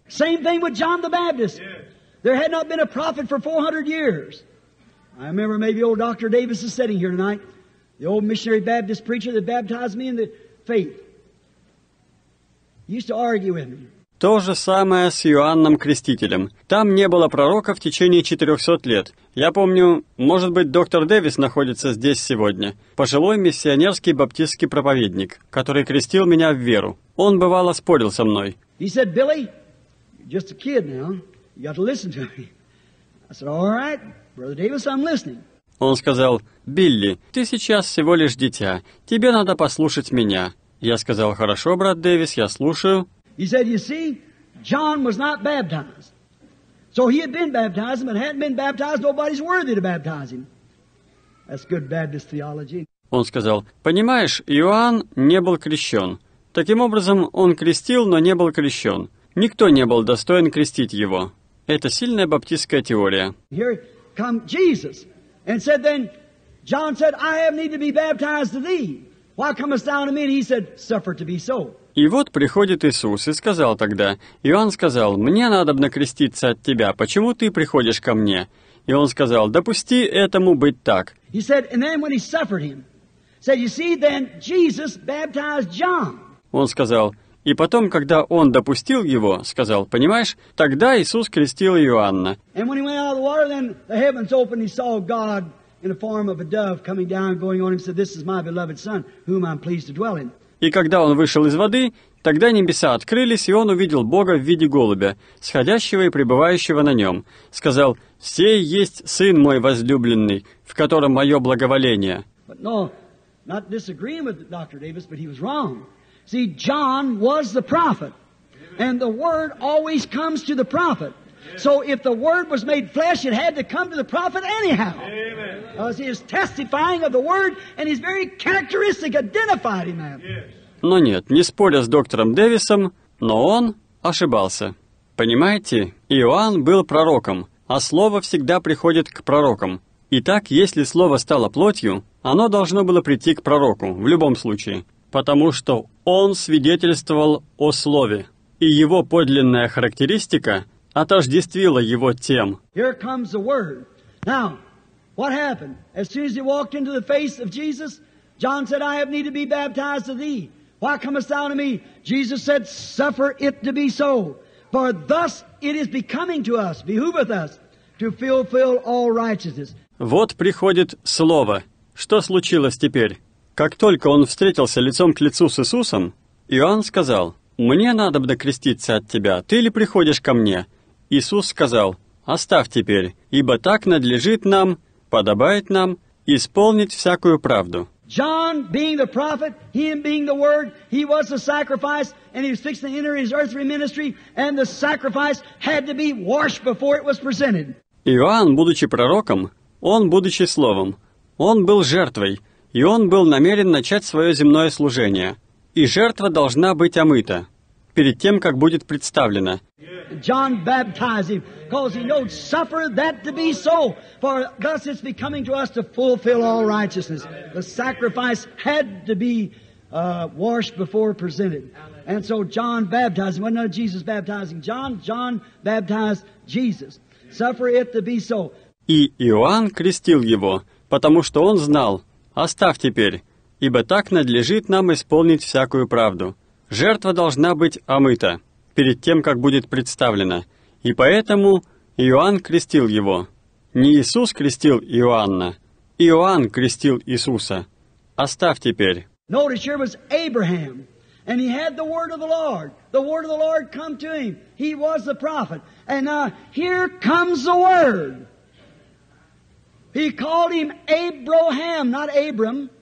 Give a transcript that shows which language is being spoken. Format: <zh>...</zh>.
<en>Same thing with John the Baptist. Yes. There had not been a prophet for 400 years. I remember maybe old Dr. Davis is sitting here tonight, the old missionary Baptist preacher that baptized me in the faith. He used to argue with me.</en> <ru>То же самое с Иоанном Крестителем. Там не было пророка в течение 400 лет. Я помню, может быть, доктор Дэвис находится здесь сегодня, пожилой миссионерский баптистский проповедник, который крестил меня в веру. Он бывало спорил со мной.</ru> <en>He said, Billy, you're just a kid now. You got to listen to me. I said, all right. Brother Davis, I'm listening.</en> <ru>Он сказал, «Билли, ты сейчас всего лишь дитя, тебе надо послушать меня». Я сказал, «Хорошо, брат Дэвис, я слушаю».</ru> <en>He said, you see, John was not baptized. So he had been baptized, but hadn't been baptized, nobody's worthy to baptize him. That's good Baptist theology.</en> <ru>Он сказал, «Понимаешь, Иоанн не был крещен. Таким образом, он крестил, но не был крещен. Никто не был достоин крестить его. Это сильная баптистская теория».</ru> <en>Here come Jesus, and said then, John said, I have need to be baptized to thee. Why comest thou to me? And he said, suffer to be so.</en> <ru>И вот приходит Иисус и сказал тогда, Иоанн сказал, мне надобно креститься от тебя, почему ты приходишь ко мне? И он сказал, допусти этому быть так.</ru> <en>He said, and then when he suffered him, said, you see, then Jesus baptized John.</en> <ru>Он сказал, и потом, когда он допустил его, сказал, понимаешь, тогда Иисус крестил Иоанна.</ru> <en>And when he went out of the water, then the heavens opened, he saw God in the form of a dove coming down, going on him, said, this is my beloved son, whom I'm pleased to dwell in.</en> <ru>И когда он вышел из воды, тогда небеса открылись, и он увидел Бога в виде голубя, сходящего и пребывающего на нем. Сказал, «Сей есть Сын мой возлюбленный, в котором мое благоволение».</ru> <en>No, not disagreeing with Dr. Davis, but he was wrong. See, John was the prophet, and the word always comes to the prophet. So if the word was made flesh, it had to come to the prophet anyhow. Amen. Because he is testifying of the word, and his very characteristic identified him. Yes.</en> <ru>Но нет, не споря с доктором Дэвисом, но он ошибался. Понимаете, Иоанн был пророком, а слово всегда приходит к пророкам. Итак, если слово стало плотью, оно должно было прийти к пророку в любом случае, потому что он свидетельствовал о слове, и его подлинная характеристика отождествила его тем.</ru> <en>Here comes the word. Now, what happened? As soon as he walked into the face of Jesus, John said, I have need to be baptized of thee. Why comest thou to me? Jesus said, suffer it to be so. For thus it is becoming to us, behooveth us, to fulfill all righteousness.</en> <ru>Вот приходит Слово. Что случилось теперь? Как только он встретился лицом к лицу с Иисусом, Иоанн сказал, «Мне надо бы креститься от тебя, ты ли приходишь ко мне?» Иисус сказал, «Оставь теперь, ибо так надлежит нам, подобает нам, исполнить всякую правду».</ru> <en>John, being the prophet, him being the word, he was the sacrifice, and he was fixing to enter his earthly ministry, and the sacrifice had to be washed before it was presented.</en> <ru>Иоанн, будучи пророком, он, будучи словом, он был жертвой, и он был намерен начать свое земное служение. И жертва должна быть омыта перед тем, как будет представлена.</ru> <en>John baptized him, because he knows suffer that to be so, for thus it's becoming to us to fulfill all righteousness. The sacrifice had to be washed before presented. And so John baptized him. Well, not Jesus baptizing John. John baptized Jesus. Suffer it to be so.</en> <ru>И Иоанн крестил его, потому что он знал, «Оставь теперь, ибо так надлежит нам исполнить всякую правду. Жертва должна быть омыта перед тем, как будет представлена». И поэтому Иоанн крестил его. Не Иисус крестил Иоанна, Иоанн крестил Иисуса. «Оставь теперь».</ru> <en>Notice, here was Abraham, and he had the word of the Lord. The word of the Lord come to him. He was the prophet. And now, here comes the word. He called him Abraham, not Abram.</en>